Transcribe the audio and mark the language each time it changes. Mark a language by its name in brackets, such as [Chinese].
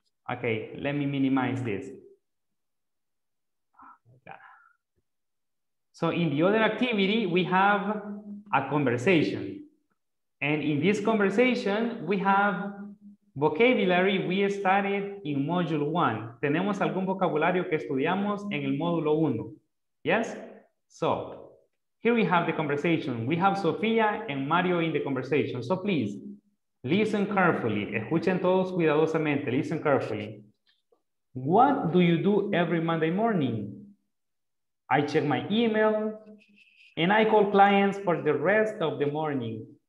[English] Okay, let me minimize this. So in the other activity, we have a conversation. And in this conversation, we have vocabulary we studied in module one. [Spanish] Tenemos algún vocabulario que estudiamos en el módulo uno. [English] Yes? So, here we have the conversation. We have Sofía and Mario in the conversation. So please, listen carefully. [Spanish] Escuchen todos cuidadosamente. [English] Listen carefully. What do you do every Monday morning? I check my email and I call clients for the rest of the morning.